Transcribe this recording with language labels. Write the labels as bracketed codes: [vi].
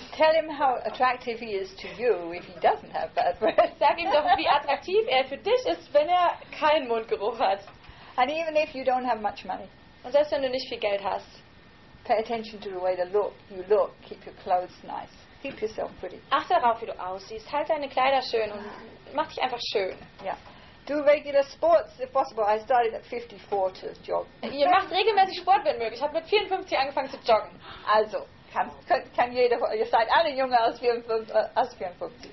[en] Tell him how attractive he is to you if he doesn't have bad breath. [de] Sag ihm doch, wie attraktiv er für dich ist, wenn er keinen Mundgeruch hat. [en] And even if you don't have much money. [de] Und selbst wenn du nicht viel Geld hast. [en] Pay attention to the way the look you look. Keep your clothes nice. Keep yourself pretty. [de] Achte darauf, wie du aussiehst. Halt deine Kleider schön und mach dich einfach schön. Ja. [en] Yeah. Do regular sports if possible. I started at 54 to jog. [de] Ihr macht regelmäßig Sport, wenn möglich. Ich habe mit 54 angefangen zu joggen. Also, kann jeder, ihr seid alle jünger als 54.